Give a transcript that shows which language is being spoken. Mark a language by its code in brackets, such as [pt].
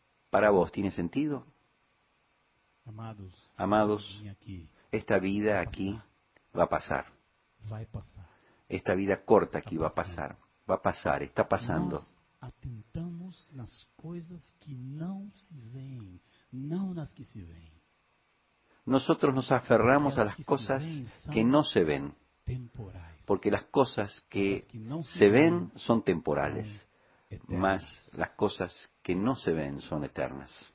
[es] ¿Para vos tiene sentido? Amados, esta vida aquí va a pasar. Esta vida corta aquí va a pasar. Va a pasar, está pasando. [pt] Atentamos nas coisas que não se veem, não nas que se veem. [es] Nosotros nos aferramos a las cosas que no se ven. Porque las cosas que se ven son temporales, mas las cosas que no se ven son eternas.